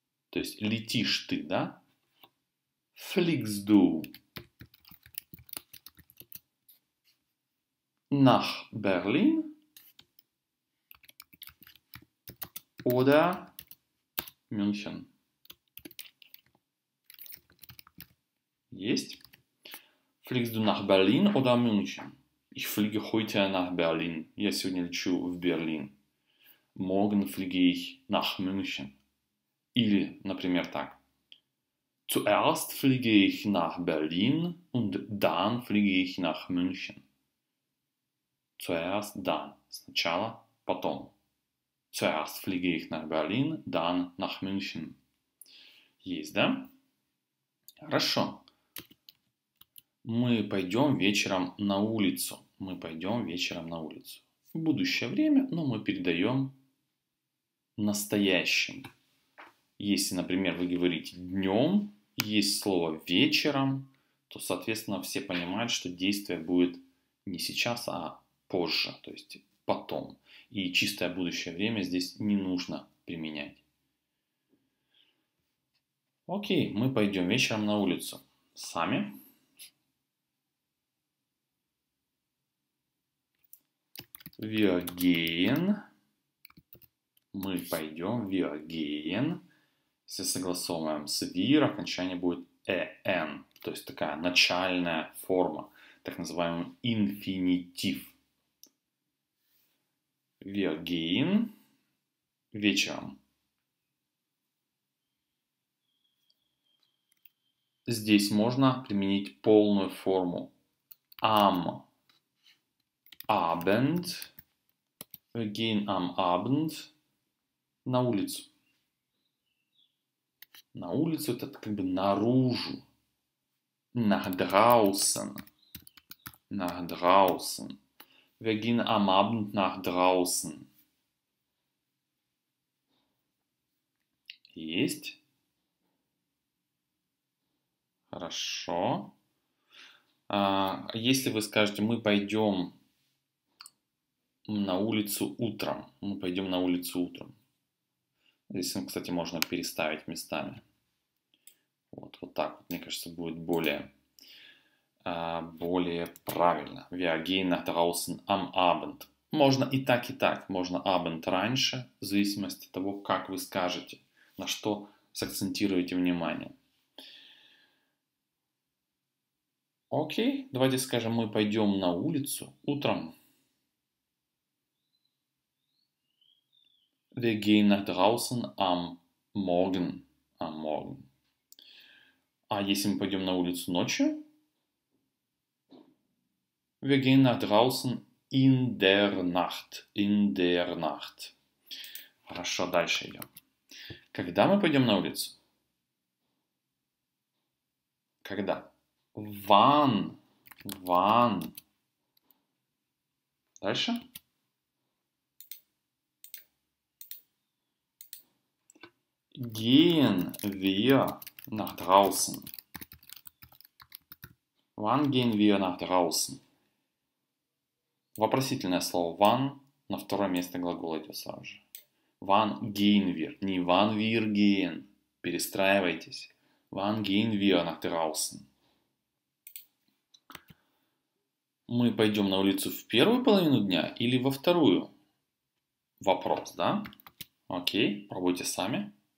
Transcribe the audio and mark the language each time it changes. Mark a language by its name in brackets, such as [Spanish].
[Russian] То есть летишь ты, да? [German] Fliegst du nach Berlin? Oder Мюнхен. [Russian] Есть? [German] Fliegst du nach Berlin oder München? Ich fliege heute nach Berlin. [Russian] Я сегодня лечу в Берлин. [German] Morgen fliege ich nach München. [Russian] Или, например, так. [German] Zuerst fliege ich nach Berlin und dann fliege ich nach München. Zuerst, dann. [Russian] Сначала, потом. [German] Zuerst fliege ich nach Berlin, dann nach München. [Russian] Есть, да? Хорошо. Мы пойдем вечером на улицу. Мы пойдем вечером на улицу. В будущее время, но мы передаем настоящим. Если, например, вы говорите днем, есть слово вечером, то, соответственно, все понимают, что действие будет не сейчас, а позже, то есть потом. И чистое будущее время здесь не нужно применять. Окей, мы пойдем вечером на улицу сами. [German] Wir gehen. [Russian] Мы пойдем. [German] Wir gehen. [Russian] Все согласовываем с wir, окончание будет en. То есть такая начальная форма, так называемый инфинитив. [German] Wir gehen [Russian] вечером. Здесь можно применить полную форму. [German] Am Abend. Wir gehen am Abend. [Russian] На улицу. На улицу это как бы наружу. [German] Nach draußen. Nach draußen. Wir gehen am Abend nach draußen. [Russian] Есть? Хорошо. А если вы скажете, мы пойдем на улицу утром, мы пойдем на улицу утром. Здесь, кстати, можно переставить местами. Вот так вот, мне кажется, будет более правильно. [German] Wir gehen nach draußen am Abend. [Russian] Можно и так, и так. Можно Abend раньше, в зависимости от того, как вы скажете, на что сакцентируете внимание. Окей, давайте скажем, мы пойдем на улицу утром. [German] Wir gehen nach draußen am Morgen. Am Morgen. [Russian] А если мы пойдем на улицу ночью? [German] Wir gehen nach draußen in der Nacht. In der Nacht. [Russian] Хорошо, дальше идем. Когда мы пойдем на улицу? Когда? [German] Ван. Ван. [Russian] Дальше? [German] Gehen wir nach draußen. Wann gehen wir nach draußen? Вопросительное слово wann на второе место глагола идет сразу же. Wann gehen wir? [Russian] Не [German] wann wir gehen. [Russian] Перестраивайтесь. [German] Wann gehen wir nach draußen? [Russian] Мы пойдем на улицу в первую половину дня или во вторую? Вопрос, да? Окей, пробуйте сами.